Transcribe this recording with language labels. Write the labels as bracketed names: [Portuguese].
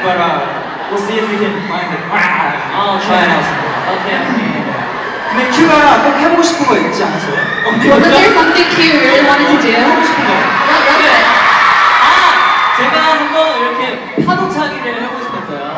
[English] But we'll see if we can find it. Wow! I'll try it out. Okay. [Korean] 근데 Q가 꼭 해보고 싶은 거 있지 않으세요? [English] Was there something Q really wanted to do? [Korean] 해보고 싶은 거. 뭐였어요? 아! 제가 한번 이렇게 파도타기를 해보고 싶었어요.